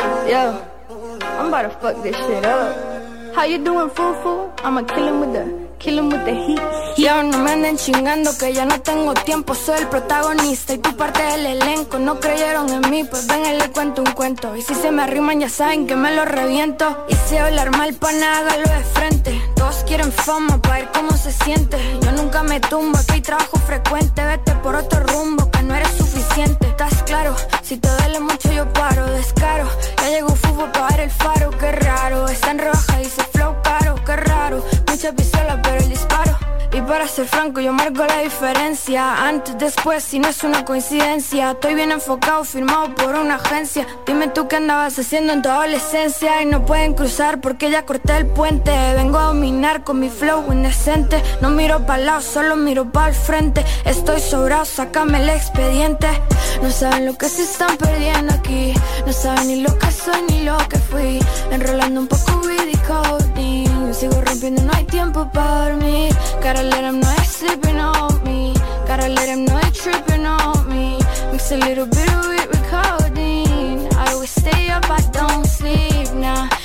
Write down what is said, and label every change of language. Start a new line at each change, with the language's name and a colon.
English: Yo, I'm about to fuck this shit up. How you doing, foo-foo? I'ma kill him with the heat.
Spanish: Yo, no me anden chingando que ya no tengo tiempo. Soy el protagonista y tú parte del elenco. No creyeron en mí, pues ven y le cuento un cuento. Y si se me arriman ya saben que me lo reviento. Y si hablar mal pa' nada, hágalo de frente. Todos quieren fama pa' ver cómo se siente. Yo nunca me tumbo, aquí hay trabajo frecuente. Vete por otro rumbo que no eres suficiente. ¿Estás claro? Si te duele mucho yo paro. Descaro, ya llegó fútbol pa' ver el faro. Qué raro, está en rebaja y se flow caro. Qué raro, mucha pistola pero el disparo. Y para ser franco yo marco la diferencia. Antes, después, si no es una coincidencia. Estoy bien enfocado, firmado por una agencia. Dime tú qué andabas haciendo en tu adolescencia. Y no pueden cruzar porque ya corté el puente. Vengo a dominar con mi flow indecente. No miro pa'l lado, solo miro pa'l frente. Estoy sobrado, sácame el expediente. No saben lo que se están perdiendo aquí. No saben ni lo que soy ni lo que fui. Enrolando un poco weed y codeine. Sigo rompiendo, no hay tiempo para dormir.
English: Gotta let them know they're sleeping on me. Gotta let them know they're tripping on me. Mix a little bit of it with codeine. I always stay up, I don't sleep, nah.